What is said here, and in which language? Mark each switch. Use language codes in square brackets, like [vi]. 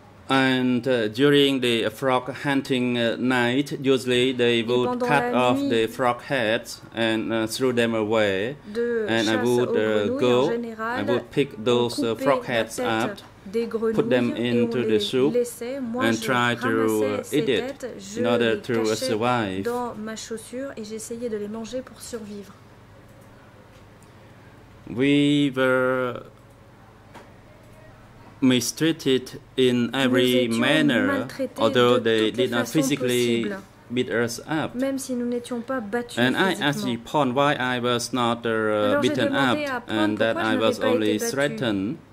[en] And during the frog hunting night, usually they would cut off the frog heads and throw them away. And I would go, I would pick those frog heads up, put them into the soup, and try to eat it in order to survive. [fr] Dans ma chaussure et j'essayais de les manger pour survivre. [en] We were mistreated in every manner, although they did not physically beat us up. [fr] Même si nous n'étions pas battus. [en] And I asked upon why I was not beaten up and that I was only threatened.